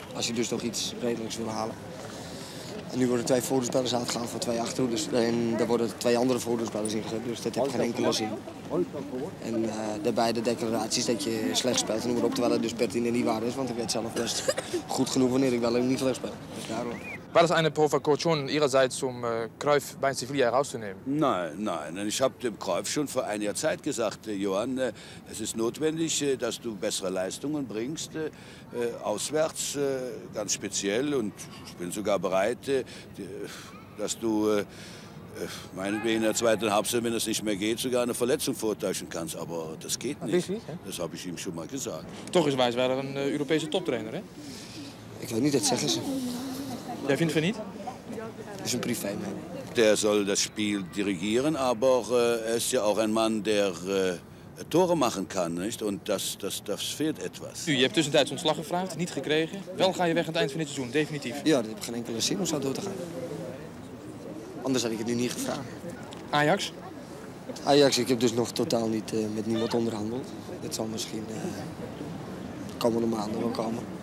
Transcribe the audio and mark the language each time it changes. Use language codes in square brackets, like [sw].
[nl] Als je dus nog iets redelijks wil halen. En nu worden 2 voorhoedenspelers uitgehaald van 2 achterhoedenspelers. En daar worden 2 andere voorhoedenspelers ingezet. Dus dat heb ik geen enkele zin. En daarbij de declaraties dat je slecht speelt. En dan wordt op, terwijl het dus pertinent niet waar is. Want ik weet zelf best goed genoeg wanneer ik wel niet slecht speel. Dus daarom. [de] War das eine Provokation Ihrerseits, um Cruijff bei Sevilla herauszunehmen? Nein. Ich habe dem Cruijff schon vor einiger Zeit gesagt, Johann, es ist notwendig, dass du bessere Leistungen bringst, auswärts, ganz speziell. Und ich bin sogar bereit, dass du, meinetwegen in der zweiten Halbzeit, wenn es nicht mehr geht, sogar eine Verletzung vortäuschen kannst. Aber das geht nicht. Das habe ich ihm schon mal gesagt. [nl] Toch [de] ist Weisweiler ein europäischer Toptrainer, hè? Ich weiß nicht, das sagen sie. [nl] Jij vindt van niet? Dat is een privé, man. [de] Der soll das Spiel dirigieren, aber er ist ja auch ein Mann, der Tore machen kann, nicht? Und das fehlt etwas. [nl] U, je hebt tussentijds ontslag gevraagd, niet gekregen. Wel ga je weg aan het eind van dit seizoen, definitief. Ja, dat heb geen enkele zin om zo door te gaan. Anders had ik het nu niet gevraagd. Ajax? Ajax, ik heb dus nog totaal niet met niemand onderhandeld. Het zal misschien de komende maanden wel komen.